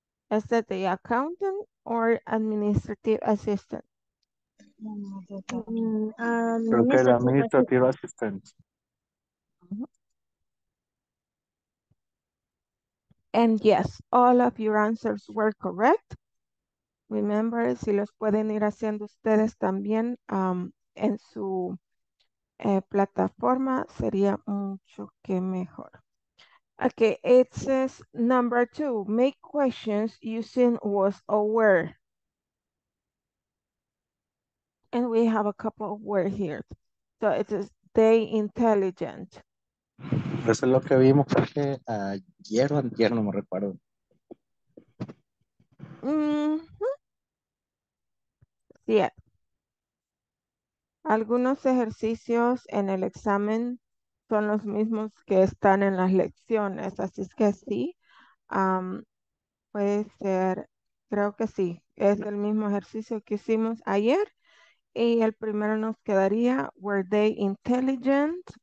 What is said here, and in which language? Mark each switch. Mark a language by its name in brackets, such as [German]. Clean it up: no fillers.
[English] Is that the accountant or administrative assistant? Administrative assistant. And yes, all of your answers were correct. [Spanish] Remember, si los pueden ir haciendo ustedes también en su plataforma, sería mucho que mejor. [English] Okay, it says number two, make questions using was or were. And we have a couple of words here. So it says they intelligent. [Spanish] Eso es lo que vimos, creo que ayer o antier, no me recuerdo. [English] Yeah. [Spanish] Algunos ejercicios en el examen son los mismos que están en las lecciones, así es que sí, puede ser, creo que sí, es el mismo ejercicio que hicimos ayer, y el primero nos quedaría, [English] were they intelligent?